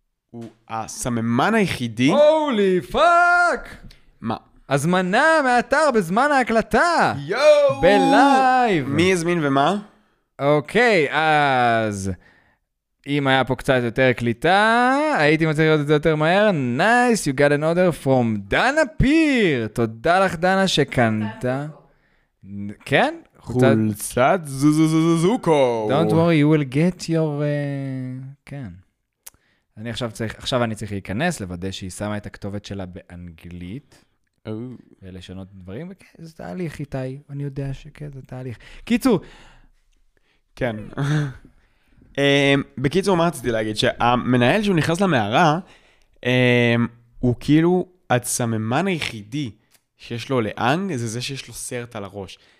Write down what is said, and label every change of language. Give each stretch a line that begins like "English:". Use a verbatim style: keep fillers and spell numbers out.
Hebrew: הוא הסממן היחידי... הולי פאק! מה? הזמנה מהאתר בזמן ההקלטה! יואו! בלייב! מי הזמין ומה? אוקיי, אז... אם היה פה קצת יותר קליטה, הייתי מצליח לראות את זה יותר מהר.
English: Nice, you got an order from דנה פיר!
Hebrew: תודה לך דנה שקנת. כן? חולצת זוזוזוזוקו!
English: Don't worry, you will get your...
Hebrew: כן. אני עכשיו צריך, עכשיו אני צריך להיכנס, לוודא שהיא שמה את הכתובת שלה באנגלית, oh. ולשנות דברים, וכן, זה תהליך איתי, אני יודע שכן, זה תהליך. קיצור. כן. um, בקיצור, מה רציתי להגיד? שהמנהל שהוא נכנס למערה, um, הוא כאילו הצממן היחידי שיש לו לאנג, זה זה שיש לו סרט על הראש.